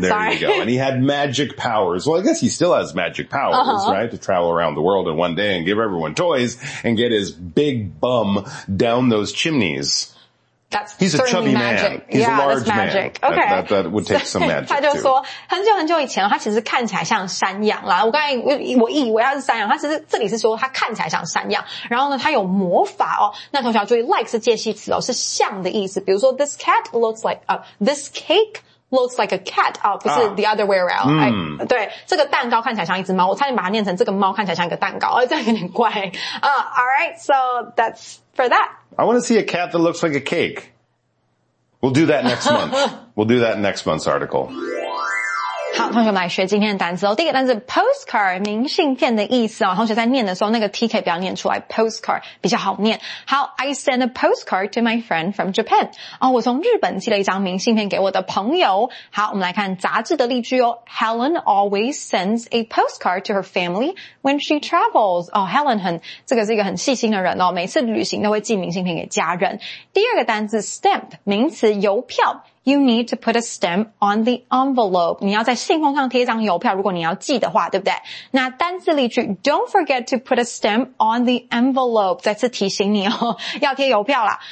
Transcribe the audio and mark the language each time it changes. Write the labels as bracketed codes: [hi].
[en] There you go, and he had magic powers. Well, I guess he still has magic powers, right? To travel around the world in one day and give everyone toys and get his big bum down those chimneys. That's He's a chubby magic. Man. He's yeah, a large magic. Man. Okay. That would take some magic. [zh] 他就说，很久很久以前，他其实看起来像山羊啦。我刚才我以为他是山羊，他其实这里是说他看起来像山羊。然后呢，他有魔法哦。那同学要注意 ，like 是介系词哦，是像的意思。比如说 [en] ，this cat looks like this cake。Looks like a cat, 哦， [zh] 不是 [en] the other way around. [zh] 对，这个蛋糕看起来像一只猫，我差点把它念成这个猫看起来像一个蛋糕，这样有点怪。 [en] Alright, so that's for that. I want to see a cat that looks like a cake. We'll do that next month. We'll do that next month's article. [zh] 好，同学们来学今天的单词哦。第一个单词 postcard, 明信片的意思哦。同学在念的时候那个 TK 不要念出来 ,postcard, 比较好念。 [en] 好 ,I send a postcard to my friend from Japan. [zh] 哦，我从日本寄了一张明信片给我的朋友。好，我们来看杂志的例句哦。 [en] Helen always sends a postcard to her family when she travels. [zh] 哦 ,Helen 这个是一个很细心的人哦，每次旅行都会寄明信片给家人。第二个单词 stamp, 名词邮票。 [en] You need to put a stamp on the envelope. [zh] 你要在信封上贴一张邮票，如果你要寄的话，对不对？那单字例句 [en] ，Don't forget to put a stamp on the envelope. [zh] 再次提醒你哦，要贴邮票啦。